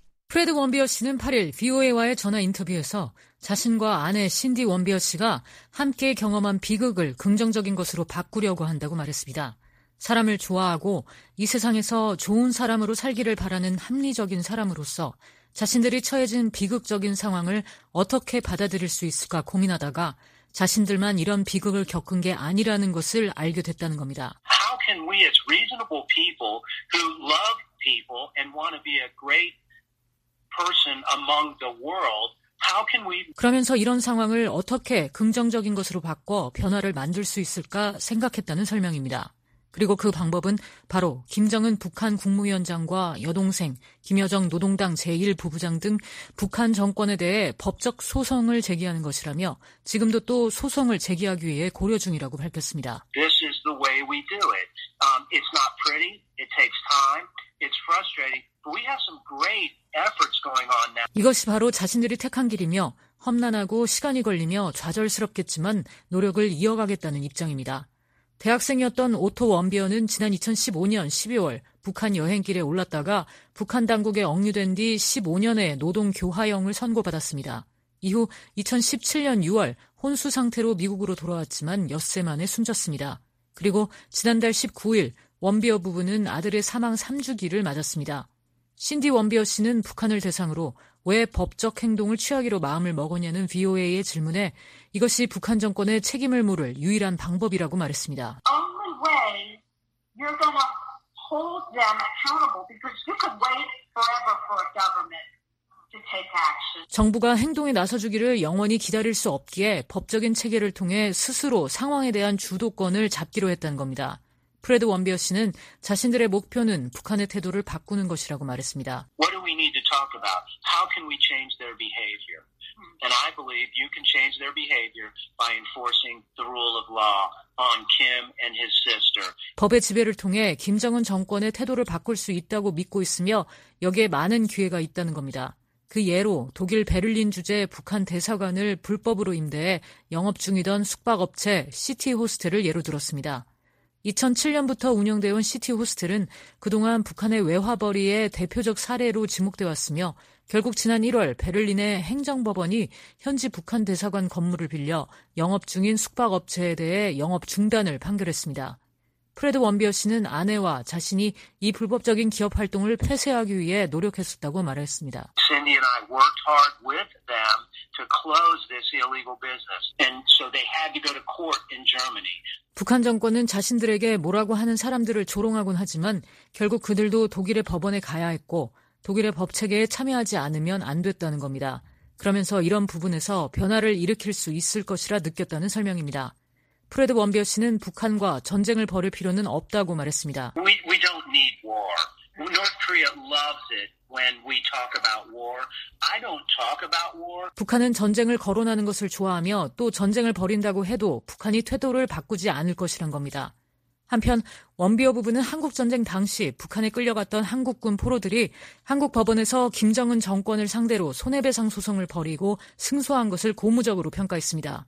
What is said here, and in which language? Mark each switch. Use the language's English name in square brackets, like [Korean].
[Korean] 프레드 원비어 씨는 8일 VOA와의 전화 인터뷰에서 자신과 아내 신디 원비어 씨가 함께 경험한 비극을 긍정적인 것으로 바꾸려고 한다고 말했습니다. 사람을 좋아하고 이 세상에서 좋은 사람으로 살기를 바라는 합리적인 사람으로서 자신들이 처해진 비극적인 상황을 어떻게 받아들일 수 있을까 고민하다가 자신들만 이런 비극을 겪은 게 아니라는 것을 알게 됐다는 겁니다. [English] How can we as reasonable people who love people and want to be a great person among the world, how can we [Korean] 그러면서 이런 상황을 어떻게 긍정적인 것으로 바꿔 변화를 만들 수 있을까 생각했다는 설명입니다. 그리고 그 방법은 바로 김정은 북한 국무위원장과 여동생, 김여정 노동당 제1부부장 등 북한 정권에 대해 법적 소송을 제기하는 것이라며 지금도 또 소송을 제기하기 위해 고려 중이라고 밝혔습니다. [English] This is the way we do it. It's not pretty. It takes time. It's frustrating. But we have some great efforts going on now. [Korean] 이것이 바로 자신들이 택한 길이며 험난하고 시간이 걸리며 좌절스럽겠지만 노력을 이어가겠다는 입장입니다. 대학생이었던 오토 원비어는 지난 2015년 12월 북한 여행길에 올랐다가 북한 당국에 억류된 뒤 15년의 노동 교화형을 선고받았습니다. 이후 2017년 6월 혼수 상태로 미국으로 돌아왔지만 엿새 만에 숨졌습니다. 그리고 지난달 19일 원비어 부부는 아들의 사망 3주기를 맞았습니다. 신디 원비어 씨는 북한을 대상으로 왜 법적 행동을 취하기로 마음을 먹었냐는 VOA의 질문에 이것이 북한 정권의 책임을 물을 유일한 방법이라고 말했습니다. [English] Only way you're going to hold them accountable because you could wait forever for a government to take action. [Korean] 정부가 행동에 나서주기를 영원히 기다릴 수 없기에 법적인 체계를 통해 스스로 상황에 대한 주도권을 잡기로 했다는 겁니다. 프레드 원비어 씨는 자신들의 목표는 북한의 태도를 바꾸는 것이라고 말했습니다. [English] What do we need to talk about? How can we change their behavior? And I believe you can change their behavior by enforcing the rule of law on Kim and his sister. [Korean] 법의 지배를 통해 김정은 정권의 태도를 바꿀 수 있다고 믿고 있으며 여기에 많은 기회가 있다는 겁니다. 그 예로 독일 베를린 주재 북한 대사관을 불법으로 임대해 영업 중이던 숙박업체 시티 호스텔을 예로 들었습니다. 2007년부터 운영되어 온 시티 호스텔은 그동안 북한의 외화벌이의 대표적 사례로 지목되어 왔으며 결국 지난 1월 베를린의 행정법원이 현지 북한 대사관 건물을 빌려 영업 중인 숙박업체에 대해 영업 중단을 판결했습니다. 프레드 원비어 씨는 아내와 자신이 이 불법적인 기업 활동을 폐쇄하기 위해 노력했었다고 말했습니다. [English] Cindy and I worked hard with them to close this illegal business. And so they had to go to court in Germany. [Korean] 북한 정권은 자신들에게 뭐라고 하는 사람들을 조롱하곤 하지만 결국 그들도 독일의 법원에 가야 했고 독일의 법체계에 참여하지 않으면 안 됐다는 겁니다. 그러면서 이런 부분에서 변화를 일으킬 수 있을 것이라 느꼈다는 설명입니다. 프레드 원비어 씨는 북한과 전쟁을 벌일 필요는 없다고 말했습니다. [English] We don't need war. North Korea loves it when we talk about war. I don't talk about war. [Korean] 북한은 전쟁을 거론하는 것을 좋아하며 또 전쟁을 벌인다고 해도 북한이 태도를 바꾸지 않을 것이란 겁니다. 한편 원비어 부부는 한국전쟁 당시 북한에 끌려갔던 한국군 포로들이 한국 법원에서 김정은 정권을 상대로 손해배상 소송을 벌이고 승소한 것을 고무적으로 평가했습니다.